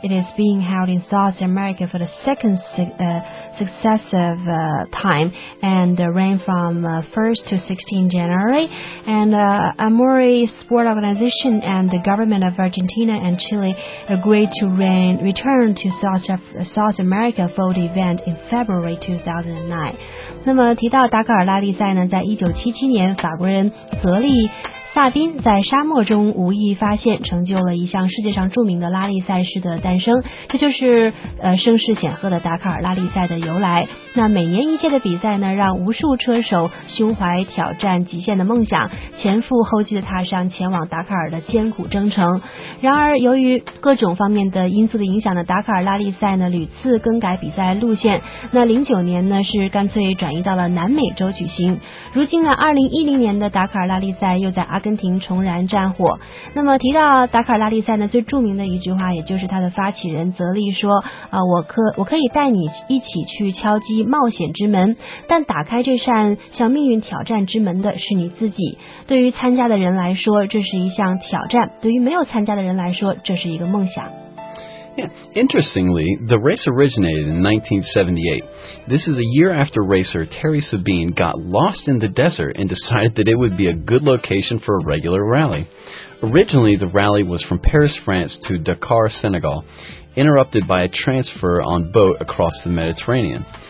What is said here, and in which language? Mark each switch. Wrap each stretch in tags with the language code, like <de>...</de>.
<en>It is being held in South America for the second successive time, and ran from 1st to 16 January. And Amarelli Sport Organization and the government of Argentina and Chile agreed to return to South America for the event in February 2009.</en> <zh>那么提到达喀尔拉力赛呢，在1977年，法国人泽利萨宾在沙漠中无意发现，成就了一项世界上著名的拉力赛事的诞生。这就是声势显赫的达喀尔拉力赛的由来。那每年一届的比赛呢，让无数车手胸怀挑战极限的梦想，前赴后继地踏上前往达喀尔的艰苦征程。然而由于各种方面的因素的影响呢，达喀尔拉力赛呢屡次更改比赛路线。那09年呢是干脆转移到了南美洲举行。如今呢2010年的达喀尔拉力赛又在阿根廷重燃战火。那么提到达喀尔拉力赛呢，最著名的一句话，也就是他的发起人泽利说：“我可以带你一起去敲击冒险之门，但打开这扇向命运挑战之门的是你自己。对于参加的人来说，这是一项挑战；对于没有参加的人来说，这是一个梦想。”</zh> <en>Yeah. Interestingly, the race originated in 1978. This is a year after racer Terry Sabine got lost in the desert and decided that it would be a good location for a regular rally. Originally, the rally was from Paris, France to Dakar, Senegal, interrupted by a transfer on boat across the Mediterranean.</en>